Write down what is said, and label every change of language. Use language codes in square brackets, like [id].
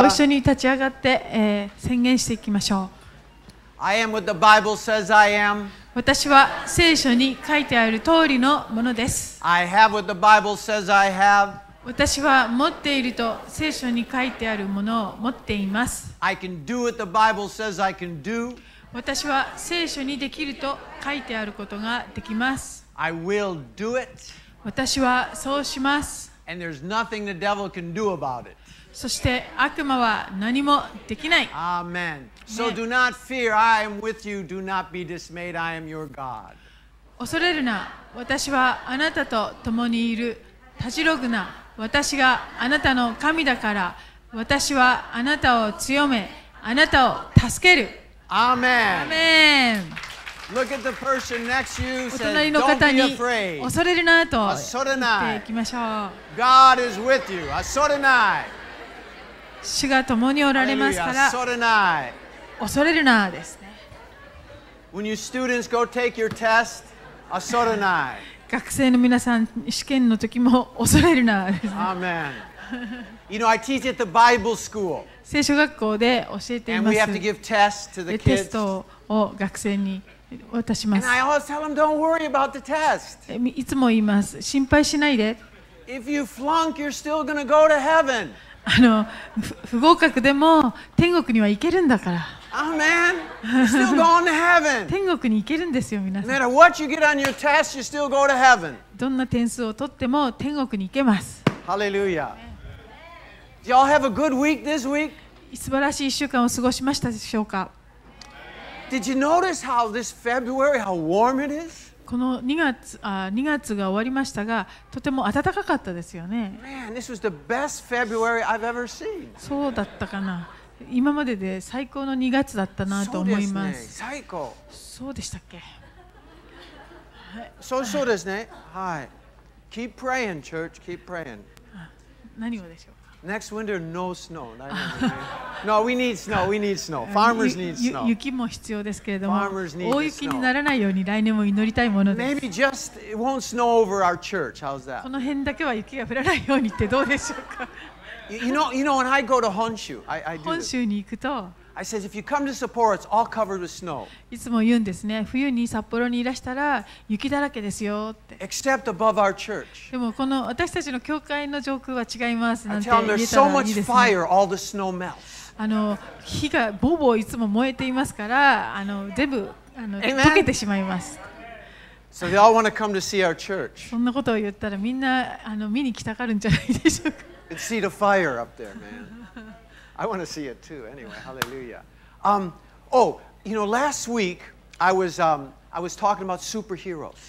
[ja] ご一緒に立ち上がって、宣言していきましょう。 [en] I am what the Bible says I am. [ja] 私は聖書に書いてある通りのものです。 [en] I have what the Bible says I have. [ja] 私は持っていると聖書に書いてあるものを持っています。 [en] I can do what the Bible says I can do. [ja] 私は聖書にできると書いてあることができます。 [en] I will do it. [ja] 私はそうします。 [en] And there's nothing the devil can do about it. [ja] そして悪魔は何もできない。 [en] Amen. So do not fear. I am with you. Do not be dismayed. I am your God. [ja] 恐れるな。私はあなたと共にいる。たじろぐな。私があなたの神だから、私はあなたを強め、あなたを助ける。アーメン。アーメン。 [en] Look at the person next to you, [ja] お隣の方に恐れるなと言っていきましょう。 [en] God is with you. [ja] 恐れない。主が共におられますから、恐れない。恐れるなですね。 [en] When you students go take your test, [ja] 恐れない。学生の皆さん、試験の時も恐れるな。 [en] Amen. You know, I teach at the Bible school. [ja] 聖書学校で教えています。 [en] And we have to give tests to the kids. [ja] テストを学生に渡します。 [en] And I always tell them, don't worry about the test. [ja] いつも言います。心配しないで。 [en] If you flunk, you're still gonna go to heaven. [ja] 不合格でも天国には行けるんだから。 [en] Amen. Still going to heaven. [ja] 天国に行けるんですよ皆さん。 [en] No matter what you get on your test, you still go to heaven. [ja] どんな点数を取っても天国に行けます。 [en] Hallelujah. Do y'all have a good week this week? [ja] 素晴らしい1週間を過ごしましたでしょうか。 [en] Did you notice how this February how warm it is? [ja] この2月が終わりましたが、とても暖かかったですよね。 [en] Man, this was the best February I've ever seen. [ja] そうだったかな。今までで最高の2月だったなと思います。そうですね、最高。そうでしたっけ。そうですね。はい。 [en] Keep praying, church. Keep praying. [ja] 何をでしょうか。 [en] Next winter, no snow. No, we need snow. We need snow. Farmers need snow. [ja] 雪も必要ですけれども、大雪にならないように来年も祈りたいものです。 [en] Maybe just it won't snow over our church. How's that? [ja] この辺だけは雪が降らないようにってどうでしょうか。 [en] You know, when I go to Honshu, I do. [ja] 本州に行くと、 [en] I says if you come to Sapporo, it's all covered with snow. [ja] いつも言うんですね。冬に札幌にいらしたら雪だらけですよって。 [en] Except above our church. [ja] でもこの私たちの教会の上空は違いますなんて言えたらいいですね。 [en] I tell them there's so much fire, all the snow melts. [ja] 火がボーボーいつも燃えていますから、全部 [en] Amen. [ja] 溶けてしまいます。 [en] So they all want to come to see our church. [ja] そんなことを言ったらみんな見に来たがるんじゃないでしょうか。 [en] And see the fire up there, man. I want to see it too. Anyway, hallelujah. You know, last week I was talking about superheroes.